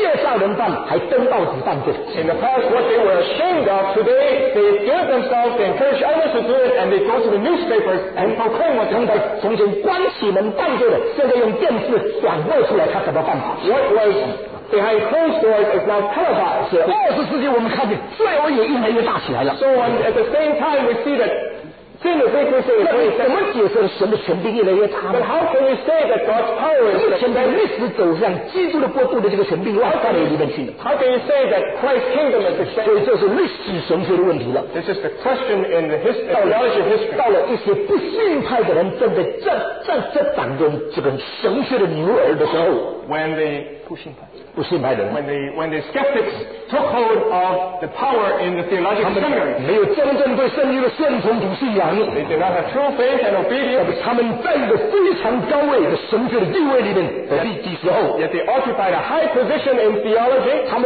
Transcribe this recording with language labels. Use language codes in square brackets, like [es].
[zh] 从前一方面害羞犯的，一方面不敢犯的，现在大胆犯，介绍人犯，还登报纸犯罪。 [en] In the past, what they were ashamed of, today they do it themselves, they encourage others to do it, and they go to the newspapers and proclaim what they've done. [zh] 从前关起门犯罪的，现在用电视转播出来，他怎么犯法？ [en] What was behind closed doors is now televised. [zh] 20世纪我们看见罪恶也越来越大起来了。 [en] So on, at the same time we see that sin is increasing. [zh] 那你怎么解释神的权柄越来越差呢？ [en] But how can we say that God's power is [zh] 目前的历史走向基督的国度的这个权柄往哪里面去呢？ [en] How can you say that Christ's kingdom is expanding? [zh] 所以这是历史神学的问题了。 [en] This is the question in the history of history. [zh] 到了一些不信派的人正在掌中这个神学的牛耳的时候， [en] when they [zh] 不信派不信派的人, [en] when the skeptics took hold of the power in the theological seminaries, they did not have true faith and obedience. Yet they occupied a high position in theology.